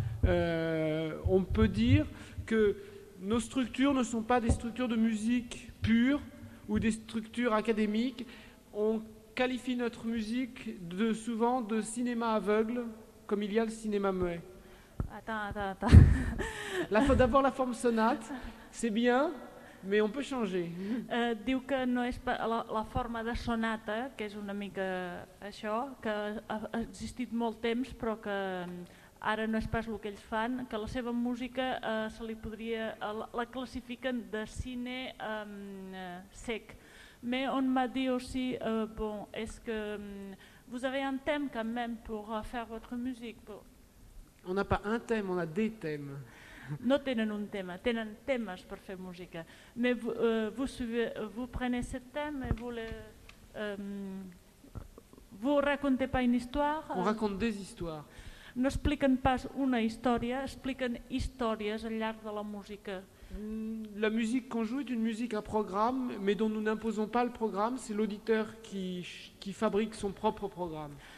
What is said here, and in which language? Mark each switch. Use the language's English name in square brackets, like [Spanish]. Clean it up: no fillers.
[French] On peut dire que nos structures ne sont pas des structures de musique pure ou des structures académiques. On qualifie notre musique souvent de cinéma aveugle, comme il y a le cinéma muet. Attends. D'abord la forme sonate, c'est bien, mais on peut changer. [Catalan] Diu que no és la forma de sonata, que és una mica això, que ha existit molt temps, però que ara no és pas el que ells fan, que la seva música se li podria la classifiquen de cine sec. [French] Mais on m'a dit aussi bon, est-ce que vous avez un thème quand même pour faire votre musique? On n'a pas un thème, on a des thèmes. [Catalan] No tenen un tema, tenen temes per fer música. [French] Mais vous prenez ce thème et vous racontez pas une histoire? On raconte des histoires. [Catalan] No expliquen pas una història, expliquen històries al llarg de la música. [French] La musique qu'on joue est une musique à programme, mais dont nous n'imposons pas le programme. C'est l'auditeur qui fabrique son propre programme.